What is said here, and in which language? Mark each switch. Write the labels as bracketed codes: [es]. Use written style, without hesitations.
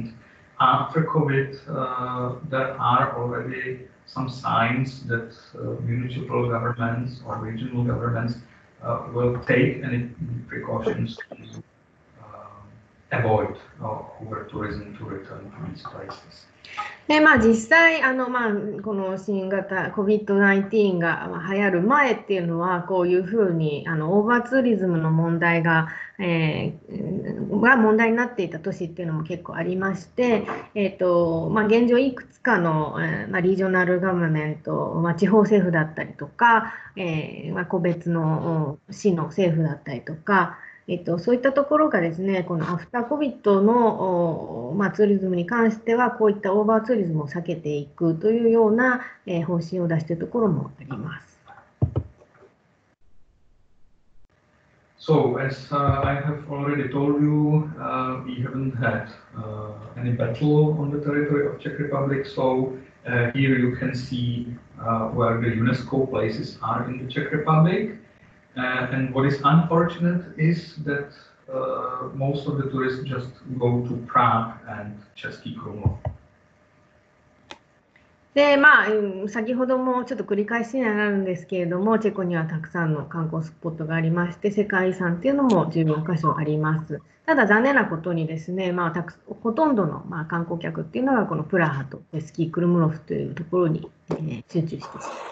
[en] And after COVID, there are already some signs that municipal governments or regional governments will take any precautions to avoid over-tourism to return to these places. [ja] で、まあ、実際、まあ、この新型 COVID-19 が流行る前っていうのは、こういうふうにオーバーツーリズムの問題が、が問題になっていた都市っていうのも結構ありまして、まあ、現状いくつかの、まあ、リージョナルガバメント、まあ、地方政府だったりとか、まあ、個別の市の政府だったりとか、そういったところがですね、このアフターコビットの、まあ、ツーリズムに関しては、こういったオーバーツーリズムを避けていくというような、方針を出しているところもあります。 [en] So, as I have already told you, we haven't had any battle on the territory of Czech Republic. So, here you can see where the UNESCO places are in the Czech Republic. And what is unfortunate is that most of the tourists just go to Prague and Český Krumlov. [ja] で、まあ、先ほどもちょっと繰り返しになるんですけれども、チェコにはたくさんの観光スポットがありまして、世界遺産っていうのも14箇所あります。ただ残念なことにですね、まあ、ほとんどの、まあ、観光客っていうのがこのプラハとチェスキークルムロフというところに、集中しています。